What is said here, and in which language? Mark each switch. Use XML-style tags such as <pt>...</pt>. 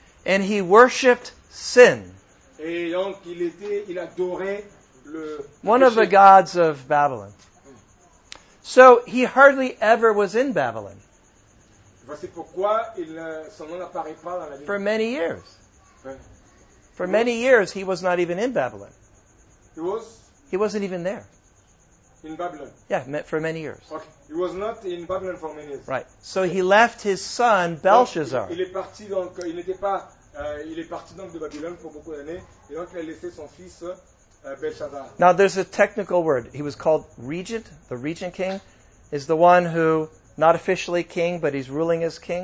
<en>And he worshipped sin.</en> <fr>Et donc, il adorait le</fr> <en>one of the gods of Babylon. So he hardly ever was in Babylon.</en> <fr>Voici pourquoi son nom n'apparaît pas dans la Bible.</fr> <en>For many years. For many years, he was not even in Babylon. He was? He wasn't even there. In Babylon? Yeah, for many years. Okay. He was not in Babylon for many years. Right. So he left his son, Belshazzar.</en> <fr>Il est parti donc, il n'était pas, il est parti donc de Babylone pour beaucoup d'années, et donc il a laissé son fils, Belshazzar.</fr> <en>Now, there's a technical word. He was called regent. The regent king is the one who, not officially king, but he's ruling as king.</en>